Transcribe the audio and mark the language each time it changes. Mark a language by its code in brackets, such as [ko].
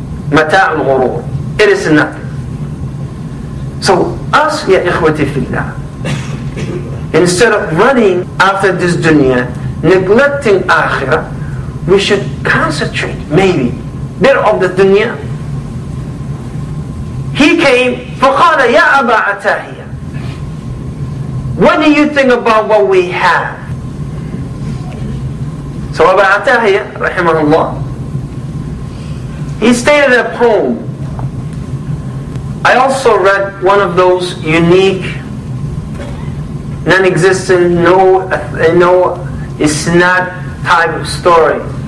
[ar] مَتَاعُ الْغُرُورِ. [en] It is nothing. So us, [ar] يَا إِخْوَةِ فِي اللَّهِ, [en] instead of running after this dunya, neglecting akhirah, we should concentrate, maybe, bit of the dunya. He came, [ar] فَقَالَ يَا أَبَا عَتَاهِيَ. [en] What do you think about what we have? So Abu Atahiyya, rahimahullah, he stated a poem. I also read one of those unique, non-existent, no isnad type of story.